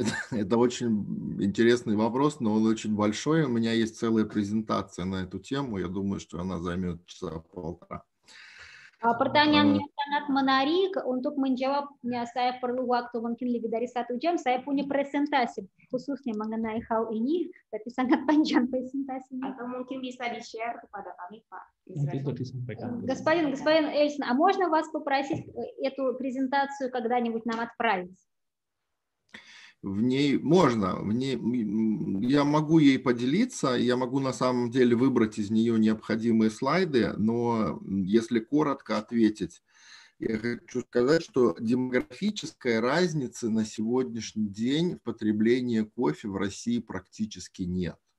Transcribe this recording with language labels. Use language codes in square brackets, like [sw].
[ru] Это очень интересный вопрос, но он очень большой. У меня есть целая презентация на эту тему. Я думаю, что она займет часа полтора. [id] Pertanyaannya sangat menarik. Untuk menjawabnya saya perlu waktu mungkin lebih dari satu jam. Saya punya presentasi khususnya mengenai hal ini, tapi sangat panjang presentasinya. Atau mungkin bisa di-share kepada kami, Pak. Nanti itu disampaikan. [ru] Господин Эльсон, а можно вас попросить эту презентацию когда-нибудь нам отправить? В ней можно, в ней я могу ей поделиться, я могу на самом деле выбрать из нее необходимые слайды, но если коротко ответить, я хочу сказать, что демографической разницы на сегодняшний день в потреблении кофе в России практически нет.